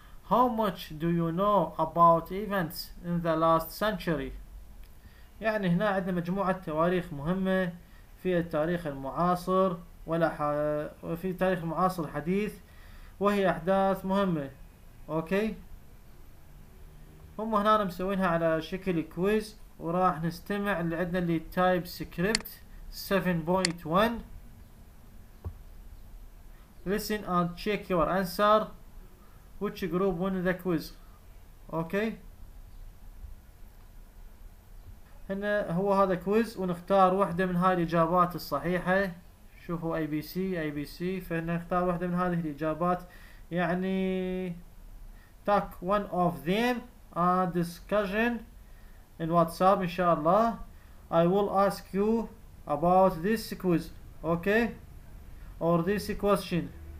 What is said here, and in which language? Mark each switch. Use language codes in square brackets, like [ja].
[en] How much do you know about events in the last century? [ar] يعني هنا عندنا مجموعة تواريخ مهمة في التاريخ المعاصر وفي التاريخ المعاصر الحديث وهي أحداث مهمة. أوكي؟ هم هنا مسوينها على شكل كويز وراح نستمع اللي عندنا اللي تايب سكريبت 7.1. [en] Listen and check your answer. Which group won the quiz? Okay. [ar] هنا هو هذا كويز ونختار واحدة من هاي الإجابات الصحيحة. شوفوا ABC. فهنا نختار واحدة من هذه الإجابات. [en] يعني talk one of them a discussion in WhatsApp [ar] إن شاء الله. [en] I will ask you about this quiz. Okay. Or this question.